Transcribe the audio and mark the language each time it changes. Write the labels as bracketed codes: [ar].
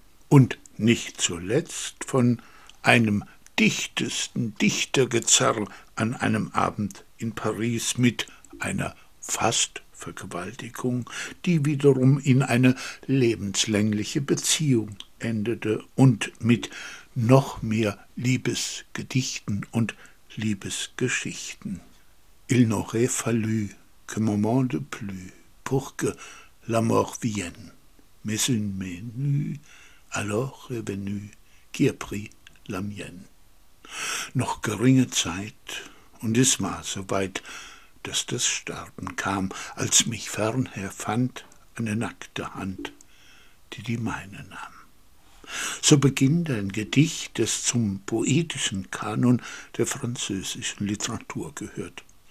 [de] Und nicht zuletzt von einem dichtesten Dichtergezerr an einem Abend in Paris mit einer fast Vergewaltigung, die wiederum in eine lebenslängliche Beziehung endete und mit noch mehr Liebesgedichten und Liebesgeschichten. [fr] Il n'aurait fallu que moment de plus pour que la mort vienne, mais une menu alors est venu qui a pris la mienne. [de] Noch geringe Zeit und es war soweit, dass das Sterben kam, als mich fernher fand eine nackte Hand, die die meine nahm. So beginnt ein Gedicht, das zum poetischen Kanon der französischen Literatur gehört.